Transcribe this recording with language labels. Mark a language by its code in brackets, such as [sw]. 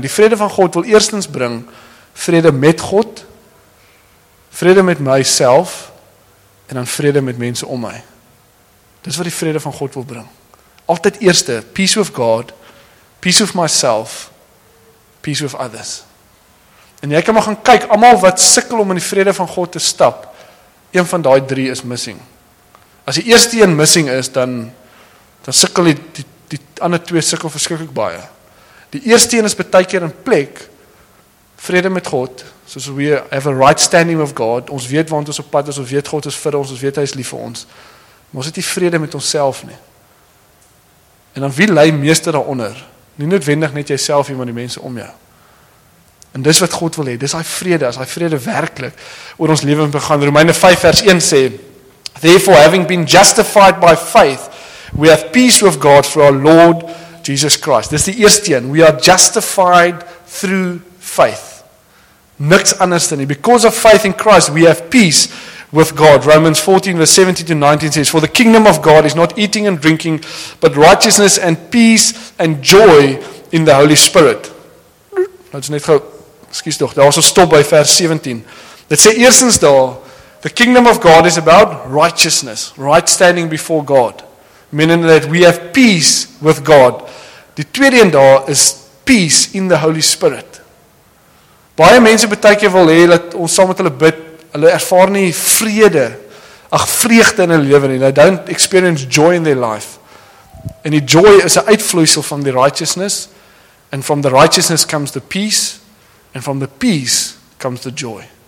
[af] Die vrede van God wil eerstens bring vrede met God, vrede met myself en dan vrede met mense om my. Dis wat die vrede van God wil bring. Altyd eerste, [en] peace with God, peace with myself, peace with others. [af] En jy kan maar gaan kyk, almal wat sukkel om in die vrede van God te stap, een van daai drie is missing. As die eerste een missing is, dan sukkel die ander twee sukkel verskriklik baie. Die eerste een is baie keer in plek, vrede met God, soos [en] we have a right standing with God, [af] ons weet waar ons op pad is, ons weet God is vir ons, ons weet hy is lief vir ons. Maar ons het nie vrede met onsself nie. En dan wie lei meeste daaronder? Nie noodwendig net jouself nie, maar die mense om jou. En dis wat God wil hê. Dis daai vrede, as daai vrede werklik oor ons lewe begin. Romeine 5 vers 1 sê, [en] therefore having been justified by faith, we have peace with God through our Lord Jesus Christ. [af] Dis die eerste een. [en] We are justified through faith. [af] Niks anders dan nie. [en] Because of faith in Christ, we have peace with God. Romans 14 verse 17 to 19 says, for the kingdom of God is not eating and drinking, but righteousness and peace and joy in the Holy Spirit. Let's net go, excuse toch, [af] daar was ons stop by vers 17. [en] Let's say, [af] eerstens daar, [en] the kingdom of God is about righteousness, right standing before God, meaning that we have peace with God. [af] Die tweede en daar is peace in the Holy Spirit. Baie mense baie keer wil hê dat ons saam met hulle bid, hulle ervaar nie vrede, ag vreugde in hulle lewe nie. [en] They don't experience joy in their life. [af] En die joy is 'n uitvloeisel van die [en] righteousness, and from the righteousness comes the peace, and from the peace comes the joy.